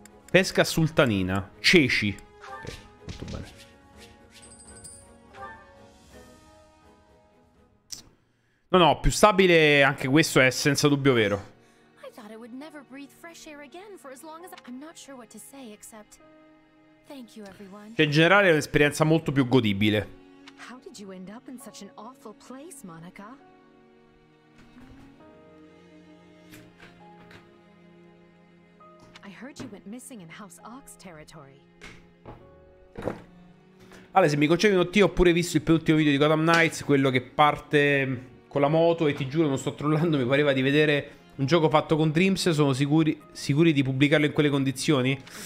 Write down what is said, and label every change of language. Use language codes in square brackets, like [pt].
[it] Pesca sultanina. Ceci. Ok, molto bene. No, no, più stabile anche questo è senza dubbio vero. [en] I thought I would never breathe fresh air again for as long as I'm not sure what to say except thank you everyone. [it] Cioè, in generale è un'esperienza molto più godibile. [en] How did you end up in such an awful place, Monica? I heard you went missing in House Ox territory. [it] Allora, se mi concedi un ottio, ho pure visto il penultimo video di Gotham Knights, quello che parte con la moto, e ti giuro non sto trollando, mi pareva di vedere un gioco fatto con Dreams. Sono sicuri di pubblicarlo in quelle condizioni?